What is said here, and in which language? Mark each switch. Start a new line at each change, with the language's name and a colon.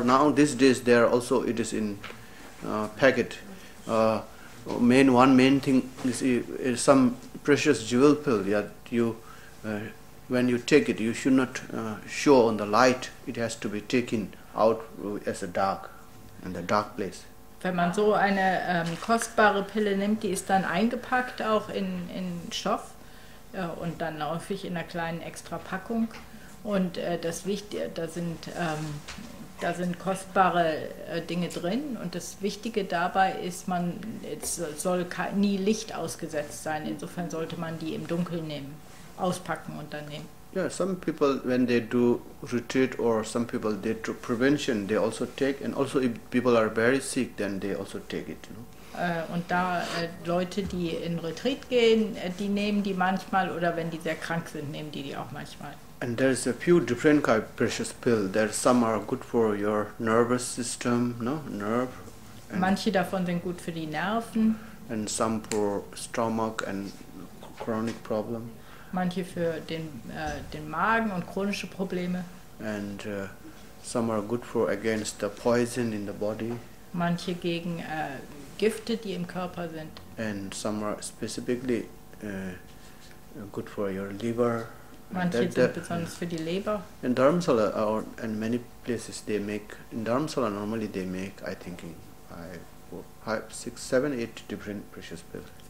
English: Now these days there also it is in packet. Main thing is some precious jewel pill. Yeah, you when you take it, you should not show on the light. It has to be taken out as a dark, in the dark place.
German: Wenn man so eine kostbare Pille nimmt, die ist dann eingepackt auch in Stoff und dann häufig in einer kleinen extra Packung. Und das Wichtige, da sind kostbare Dinge drin. Und das Wichtige dabei ist, man soll nie Licht ausgesetzt sein. Insofern sollte man die im Dunkeln nehmen, auspacken und dann nehmen.
English: Yeah, some people when they do retreat or some people they do prevention, they also take. And also if people are very sick, then they also take it. You know?
German: Und da Leute, die in Retreat gehen, die nehmen die manchmal, oder wenn die sehr krank sind, nehmen die die auch manchmal.
English: And there is a few different kind of precious pill. There some are good for your nervous system, no nerve.
German: Manche davon sind gut für die Nerven.
English: And some for stomach and chronic problem.
German: Manche für den den Magen und chronische Probleme.
English: And some are good for against the poison in the body.
German: Manche gegen Gifte, die im Körper sind.
English: And some are specifically good for your liver.
German: Manche sind besonders für die Leber.
English: In Dharamsala or in many places they make, in Dharamsala normally they make, I think, 5, 6, 7, 8 different precious pills.